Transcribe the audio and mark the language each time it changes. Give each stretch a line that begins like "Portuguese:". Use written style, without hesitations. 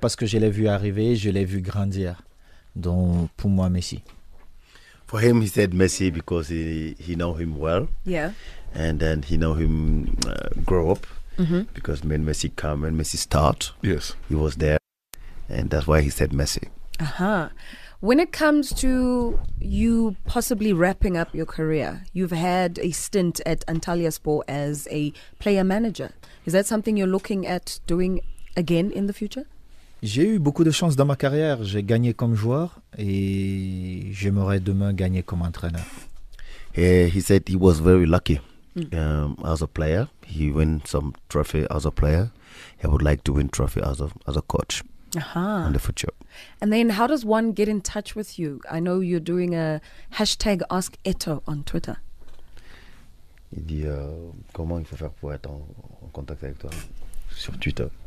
French: Parce que je l'ai vu arriver, je l'ai vu grandir. Donc, pour moi, Messi.
English: For him, he said Messi because he know him well. Yeah. And then he know him grow up. Mm-hmm. Because when Messi come, when Messi start, yes, he was there, and that's why he said Messi. Uh-huh. When it comes to you possibly wrapping up your career, you've had a stint at Antalyaspor as a player manager. Is that something you're looking at doing again in the future?
French: J'ai eu beaucoup de chance dans ma carrière. J'ai gagné comme joueur, et j'aimerais demain gagner comme entraîneur.
English: He said he was very lucky. As a player, he win some trophy. As a player, he would like to win trophy as a coach. Uh-huh. In the future. And then how does one get in touch with you? I know you're doing a hashtag Ask Eto'o on Twitter.
French: Il dit comment il faut faire pour être en contact avec toi sur Twitter.